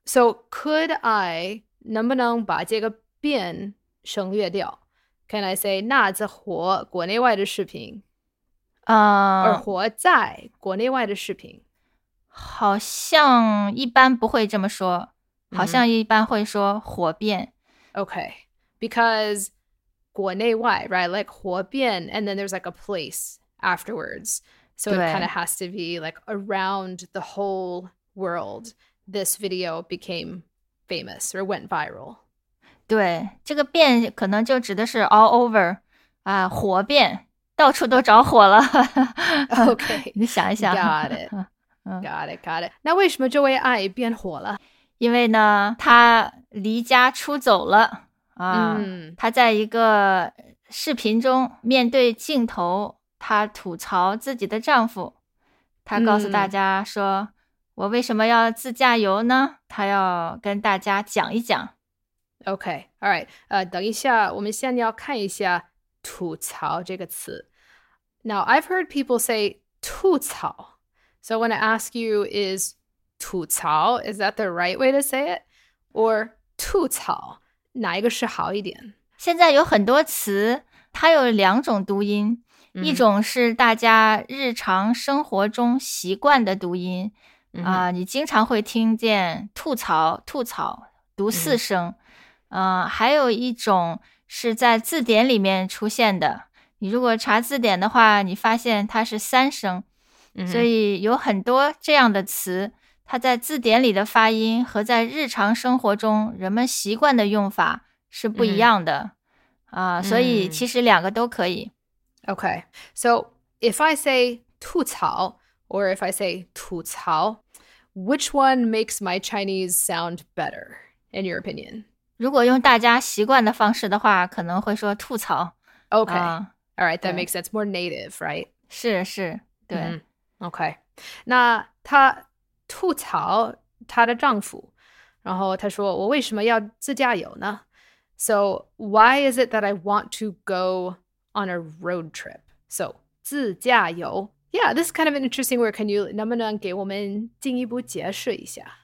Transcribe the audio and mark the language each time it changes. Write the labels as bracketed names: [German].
[English] So could I, [Chinese] 能不能把这个遍省略掉， [English] Can I say [Chinese] 那则活国内外的视频，而活在国内外的视频，好像一般不会这么说，好像一般会说火遍。 [English] OK, because 国内外 right, like 火遍 and then there's like a place afterwards, so it kind of has to be like around the whole world this video became famous or went viral. [Chinese] 对，这个遍可能就指的是 [English] all over, [Chinese] 啊，火遍，到处都着火了。 [English] OK, [Chinese] 你想一想。 [English] Got it, got it, got it. [Chinese] 那为什么这位爱变火了，因为呢他离家出走了啊，他在一个视频中面对镜头，他吐槽自己的丈夫，他告诉大家说我为什么要自驾游呢，他要跟大家讲一讲。 [English] OK, all right, [Chinese] 等一下我们先要看一下吐槽这个词。 [English] Now I've heard people say 吐槽， So I want to ask you, is 吐槽 is that the right way to say it? [Chinese] Or 吐槽哪一个是好一点？现在有很多词它有两种读音，一种是大家日常生活中习惯的读音，你经常会听见吐槽，吐槽读四声，还有一种是在字典里面出现的，你如果查字典的话你发现它是三声，所以有很多这样的词它在字典里的发音和在日常生活中人们习惯的用法是不一样的，所以其实两个都可以。 [English] OK, so if I say 吐槽 or if I say 吐槽, which one makes my Chinese sound better in your opinion? [Chinese] 如果用大家习惯的方式的话可能会说吐槽。 [English] OK, all right, that makes sense, more native, right? [Chinese] 是是，对。 OK, 那他吐槽他的丈夫，然后他说我为什么要自驾游呢？ [English] So why is it that I want to goon a road trip? So, 自驾游。Yeah, this is kind of an interesting word. Can you, [Chinese] 能不能给我们进一步解释一下？